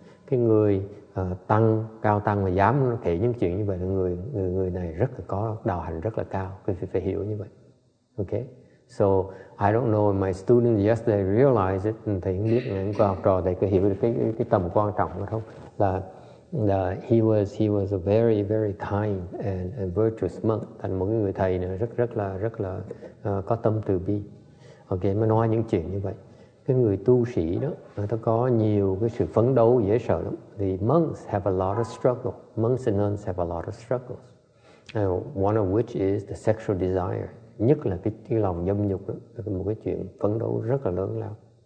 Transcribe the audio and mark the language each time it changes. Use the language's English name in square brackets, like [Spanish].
[Vietnamese] Cái người tăng cao tăng mà dám kể những chuyện như vậy là người này rất là có đạo hạnh rất là cao. Quý vị phải hiểu như vậy. Okay. [English] So I don't know if my students yesterday realized it, [Vietnamese] thầy không biết những cô học trò thầy có hiểu được cái tầm quan trọng không? [English] Là he was a very very kind and virtuous monk. [Vietnamese] Thành một người thầy nữa rất là có tâm từ bi. Ok, mới nói những chuyện như vậy. Cái người tu sĩ đó, người ta có nhiều cái sự phấn đấu dễ sợ lắm. [English] The monks have a lot of struggle. Monks and nuns have a lot of struggles. One of which is the sexual desire. [Vietnamese] Nhất là cái lòng dâm dục đó, là một cái chuyện phấn đấu rất là lớn lao.